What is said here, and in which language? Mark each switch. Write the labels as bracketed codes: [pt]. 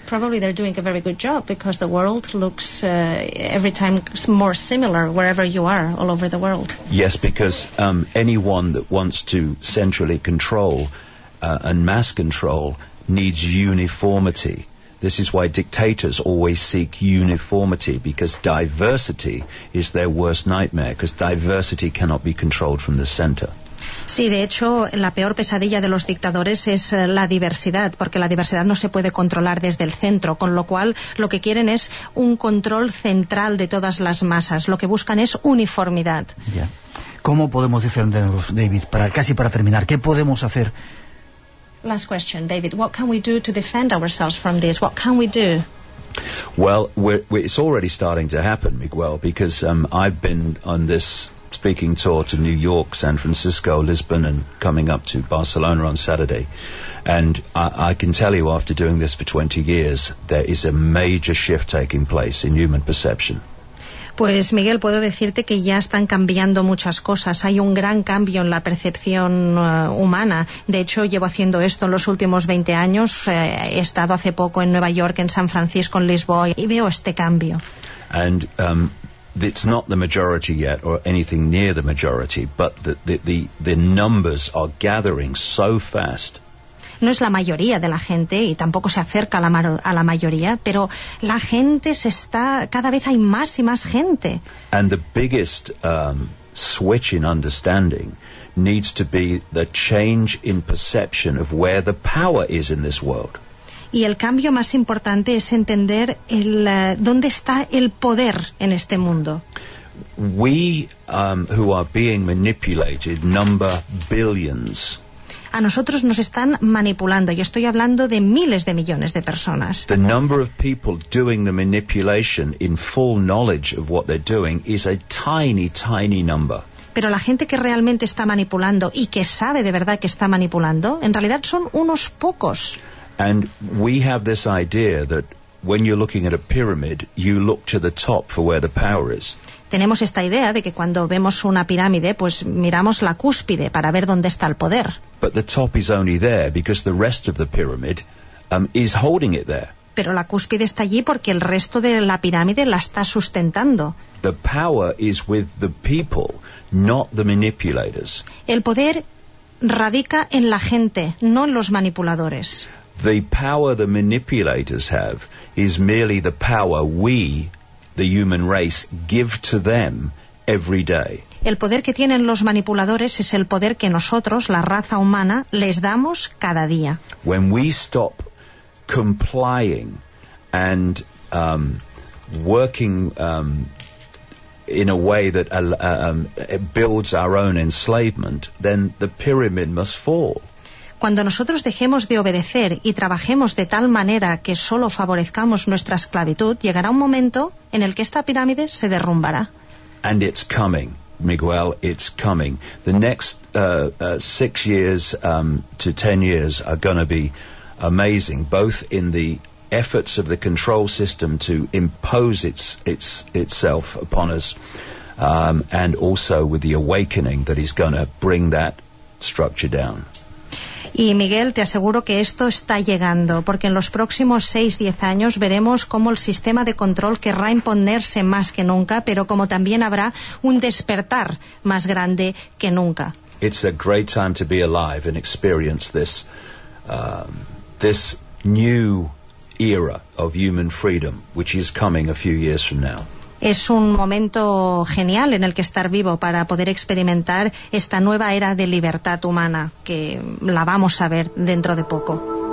[en] Probably they're doing a very good job because the world looks every time more similar wherever you are all over the world. Yes, because anyone that wants to centrally control and mass control needs uniformity. This is why dictators always seek uniformity, because diversity is their worst nightmare, because diversity cannot be controlled from the center. [es] Sí, de hecho, la peor pesadilla de los dictadores es la diversidad, porque la diversidad no se puede controlar desde el centro, con lo cual lo que quieren es un control central de todas las masas. Lo que buscan es uniformidad. Yeah. ¿Cómo podemos defendernos, David? Casi para terminar, ¿qué podemos hacer? [en] Last question, David. What can we do to defend ourselves from this? What can we do? Well, it's already starting to happen, Miguel, because I've been on this speaking tour to New York, San Francisco, Lisbon, and coming up to Barcelona on Saturday. And I can tell you, after doing this for 20 years, there is a major shift taking place in human perception. [es] Pues Miguel, puedo decirte que ya están cambiando muchas cosas. Hay un gran cambio en la percepción humana. De hecho, llevo haciendo esto en los últimos 20 años. He estado hace poco en Nueva York, en San Francisco, en Lisboa, y veo este cambio. [en] And it's not the majority yet, or anything near the majority, but the numbers are gathering so fast. [es] No es la mayoría de la gente, y tampoco se acerca a la mayoría, pero la gente se está, cada vez hay más y más gente. [en] And the biggest switch in understanding needs to be the change in perception of where the power is in this world. [es] Y el cambio más importante es entender dónde está el poder en este mundo. [en] We who are being manipulated number billions. [es] A nosotros nos están manipulando, y estoy hablando de miles de millones de personas. [en] The number of people doing the manipulation in full knowledge of what they're doing is a tiny, tiny number. [es] Pero la gente que realmente está manipulando y que sabe de verdad que está manipulando, en realidad son unos pocos. [en] And we have this idea that when you're looking at a pyramid, you look to the top for where the power is. [es] Tenemos esta idea de que cuando vemos una pirámide, pues miramos la cúspide para ver dónde está el poder. [en] But the top is only there because the rest of the pyramid is holding it there. [es] Pero la cúspide está allí porque el resto de la pirámide la está sustentando. [en] The power is with the people, not the manipulators. [es] El poder radica en la gente, no en los manipuladores. [en] The power the manipulators have is merely the power we, the human race, give to them every day. [es] El poder que tienen los manipuladores es el poder que nosotros, la raza humana, les damos cada día. [en] When we stop complying and working in a way that builds our own enslavement, then the pyramid must fall. [es] Cuando nosotros dejemos de obedecer y trabajemos de tal manera que solo favorezcamos nuestra esclavitud, llegará un momento en el que esta pirámide se derrumbará. [en] And it's coming, Miguel, it's coming. The next 6 years to 10 years are going to be amazing, both in the efforts of the control system to impose itself upon us, and also with the awakening that is going to bring that structure down. [es] Y Miguel, te aseguro que esto está llegando, porque en los próximos 6-10 años veremos cómo el sistema de control querrá imponerse más que nunca, pero como también habrá un despertar más grande que nunca. [en] It's a great time to be alive and experience this this new era of human freedom, which is coming a few years from now. [es] Es un momento genial en el que estar vivo para poder experimentar esta nueva era de libertad humana que la vamos a ver dentro de poco.